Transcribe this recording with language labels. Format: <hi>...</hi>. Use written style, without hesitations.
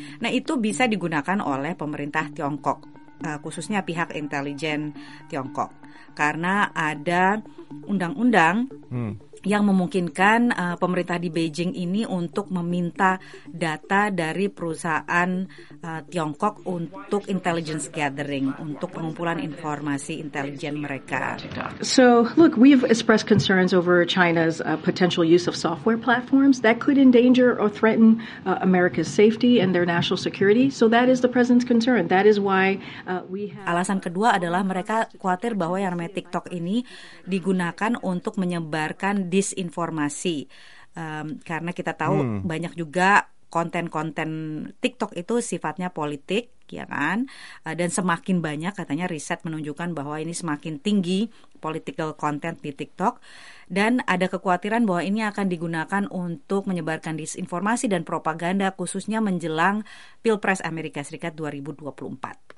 <id>Nah itu bisa digunakan oleh pemerintah Tiongkok, khususnya pihak intelijen Tiongkok, karena ada undang-undang yang memungkinkan pemerintah di Beijing ini untuk meminta data dari perusahaan Tiongkok untuk</id> <en>intelligence gathering,</en> <id>untuk pengumpulan informasi intelijen mereka.</id> <en>So, look, we've expressed concerns over China's potential use of software platforms that could endanger or threaten America's safety and their national security. So that is the president's concern. That is why we have.</en> <id>Alasan kedua adalah mereka khawatir bahwa yang namanya TikTok ini digunakan untuk menyebarkan disinformasi, karena kita tahu banyak juga konten-konten TikTok itu sifatnya politik, ya kan? Dan semakin banyak, katanya riset menunjukkan bahwa ini semakin tinggi</id> <en>political content</en> <id>di TikTok, dan ada kekhawatiran bahwa ini akan digunakan untuk menyebarkan disinformasi dan propaganda khususnya menjelang Pilpres Amerika Serikat 2024.</id>